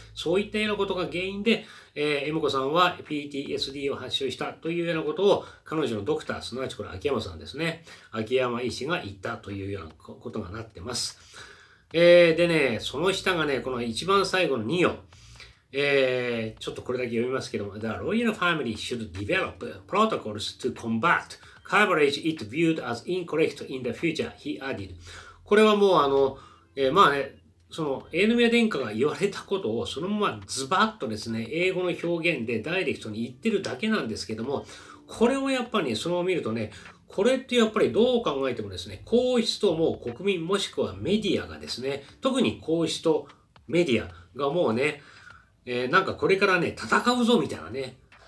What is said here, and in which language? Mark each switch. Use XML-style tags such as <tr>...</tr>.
<ja>そういったようなことが原因で、M子さんは PTSD を発症したというようなことを、彼女のドクター、すなわちこれ秋山さんですね、秋山医師が言ったというようなことがなってます。でね、その下がね、この一番最後の2行。</ja> <en>ちょっとこれだけ読みますけども、The royal family should develop protocols to combat coverage it viewed as incorrect in the future, he added.</en> <ja>これはもうまあね、そのエヌミア殿下が言われたことをそのままズバッとですね、英語の表現でダイレクトに言ってるだけなんですけども、これをやっぱり、ね、そのまま見るとね、これってやっぱりどう考えてもですね、皇室ともう国民もしくはメディアがですね、特に皇室とメディアがもうね、なんかこれからね、戦うぞみたいなね。</ja>